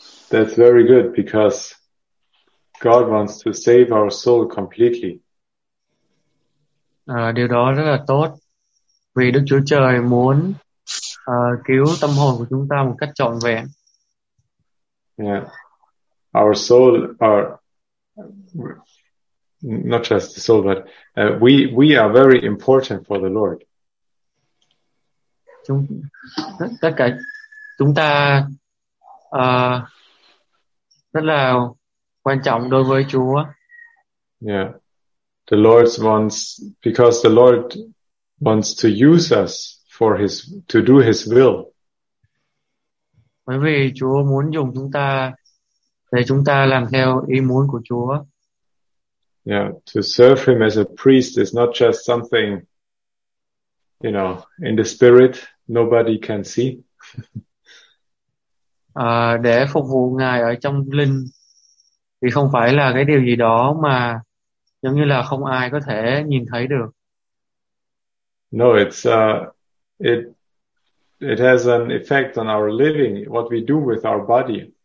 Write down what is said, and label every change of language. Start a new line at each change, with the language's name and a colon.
English: That's very good because God wants to save our soul completely.
Vietnamese: Điều đó rất là tốt vì Đức Chúa Trời muốn cứu tâm hồn của chúng ta một cách trọn vẹn.
English: Our soul are not just the soul, but we are very important for the Lord.
Vietnamese: Tất cả chúng ta rất là quan trọng đối với Chúa.
English: The Lord wants, because the Lord wants to use us for his, to do his will.
Vietnamese: Bởi vì Chúa muốn dùng chúng ta để chúng ta làm theo ý muốn của Chúa.
English: To serve him as a priest is not just something, in the spirit, nobody can see.
Vietnamese: Để phục vụ Ngài ở trong linh thì không phải là cái điều gì đó mà giống như là không ai có thể nhìn thấy được.
English: No, it's it has an effect on our living, what we do with our body.